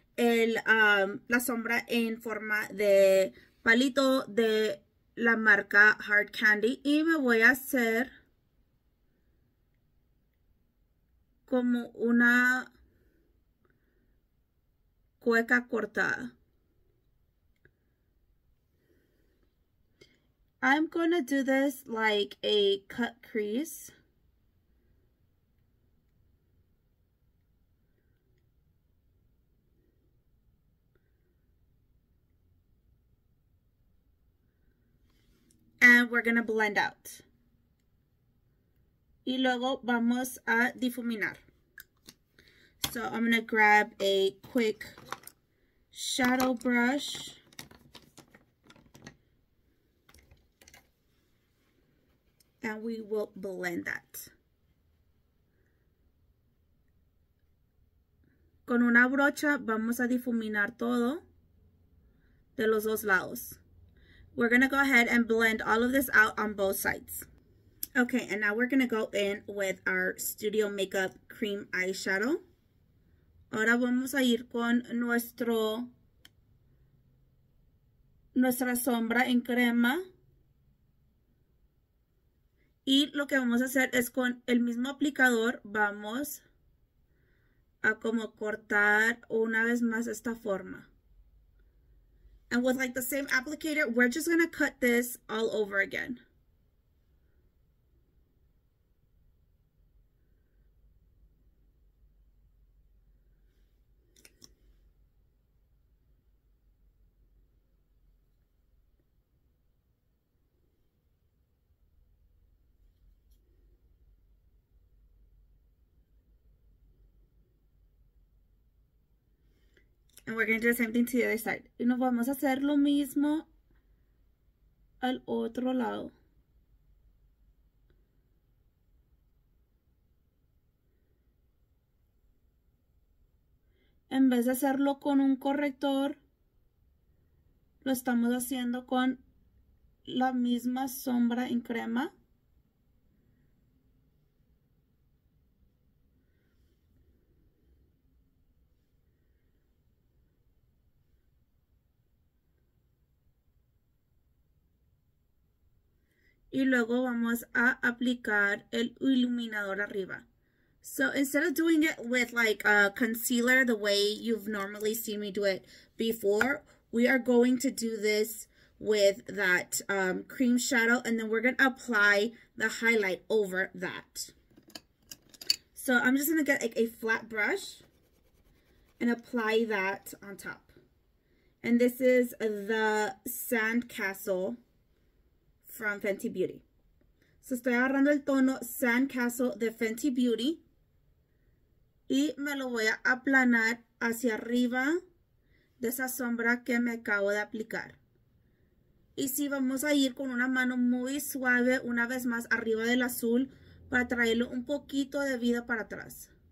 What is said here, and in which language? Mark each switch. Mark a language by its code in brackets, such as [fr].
[es] la sombra en forma de palito de la marca Hard Candy. Y me voy a hacer como una cueca cortada. [en] I'm gonna do this like a cut crease. And we're gonna blend out. [es] Y luego vamos a difuminar. [en] So I'm gonna grab a quick shadow brush. And we will blend that. [es] Con una brocha vamos a difuminar todo de los dos lados. [en] We're gonna go ahead and blend all of this out on both sides. Okay, and now we're gonna go in with our Studio Makeup Cream Eyeshadow. [es] Ahora vamos a ir con nuestra sombra en crema. Y lo que vamos a hacer es con el mismo aplicador, vamos a como cortar una vez más esta forma. [en] And with like the same applicator, we're just gonna cut this all over again. And we're going to do the same thing to the other side. [es] Y nos vamos a hacer lo mismo al otro lado. En vez de hacerlo con un corrector, lo estamos haciendo con la misma sombra en crema. Y luego vamos a aplicar el iluminador arriba. [en] So instead of doing it with like a concealer the way you've normally seen me do it before, we are going to do this with that cream shadow, and then we're going to apply the highlight over that. So I'm just going to get like a flat brush and apply that on top. And this is the Sandcastle from Fenty Beauty. [es] So estoy agarrando el tono Sandcastle de Fenty Beauty y me lo voy a aplanar hacia arriba de esa sombra que me acabo de aplicar. Y sí, vamos a ir con una mano muy suave una vez más arriba del azul para traerlo un poquito de vida para atrás.